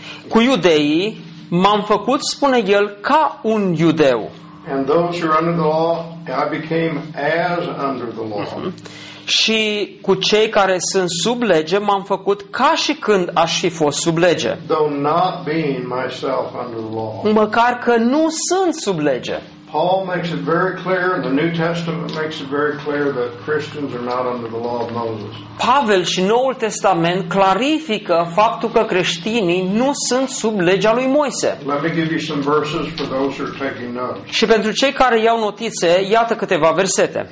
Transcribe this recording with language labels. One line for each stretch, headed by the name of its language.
Romanian: Cu iudeii m-am făcut, spune el, ca un iudeu.
English: And those who are under the law, I became as under the law.
Romanian: Și cu cei care sunt sub lege m-am făcut ca și când aș fi fost sub lege.
English: Though not being myself under the law.
Romanian: Măcar că nu sunt sub lege.
English: Paul makes it very clear, and the New Testament makes it very clear that Christians are not under the law of Moses.
Romanian: Pavel și Noul Testament clarifică faptul că creștinii nu sunt sub legea lui Moise.
English: Let me give you some verses for those who are taking notes.
Romanian: Și pentru cei care iau notițe, iată câteva versete.